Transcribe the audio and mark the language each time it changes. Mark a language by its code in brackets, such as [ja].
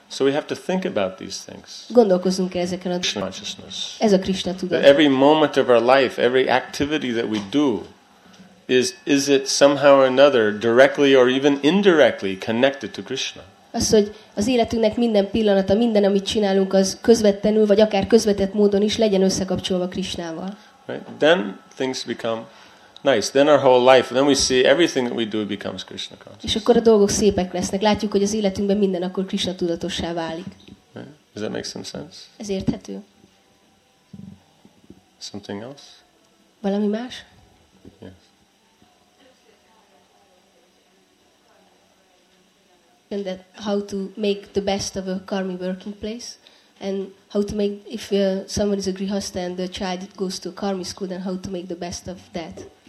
[en] So we have to think about these things. [hu] Gondolkozzunk el ezeken a [en] consciousness. [hu] Ez a Krishna tudat. [en] Every moment of our life, every activity that we do, is it somehow or another directly or even indirectly connected to Krishna? [hu] Az, hogy az életünknek minden pillanata, minden, amit csinálunk, az közvetlenül vagy akár közvetett módon is legyen összekapcsolva Krisnával. [en] Right. Then things become nice. Then our whole life, then we see everything that we do becomes Krishna conscious. [hu] És akkor a dolgok szépek lesznek. Látjuk, hogy az életünkben minden akkor Krishna tudatossá válik. [en] Right. Does that make some sense? [hu] Ez érthető. [en] Something else? [hu] Valami más? [en] Yes. And that how to make the best of a karmic working place, and how to make, if someone is a grihastha and the child goes to a karmic school, then how to make the best of that.